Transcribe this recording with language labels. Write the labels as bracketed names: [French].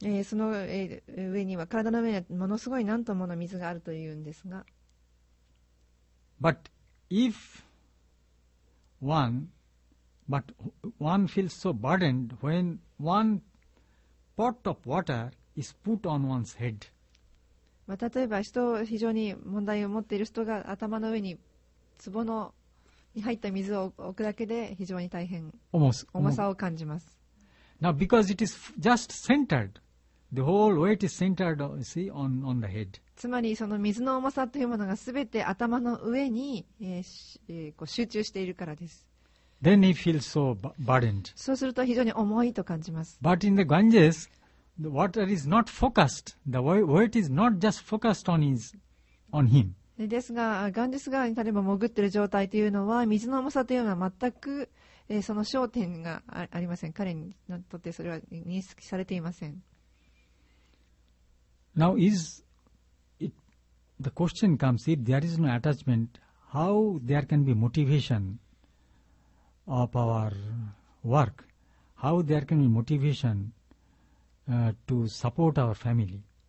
[Japanese] その上には体の上にものすごい何トンもの水があるというんですが。 [English] But if one... But one feels so burdened when one pot of water is put on one's head. [Japanese] まあ、例えば人を非常に問題を持っている人が頭の上に壺のに入った水を置くだけで非常に大変重さを感じます。 [English] Now because it is just centered, the whole weight is centered, you see, on the head. [Japanese] つまりその水の重さというものがすべて頭の上に、こう集中しているからです。 [English] Then he feels so burdened. [Japanese] そうすると非常に重いと感じます。 [English] But in the Ganges, the water is not focused. The weight is not just focused on his, on him. [Japanese] ですが、ガンジス川に例えば潜っている状態というのは、水の重さというのは全く、その焦点がありません。彼にとってそれは認識されていません。 [English] Now is it, the question comes, if there is no attachment, how there can be motivation? Of our work, how there can be motivation to support our family?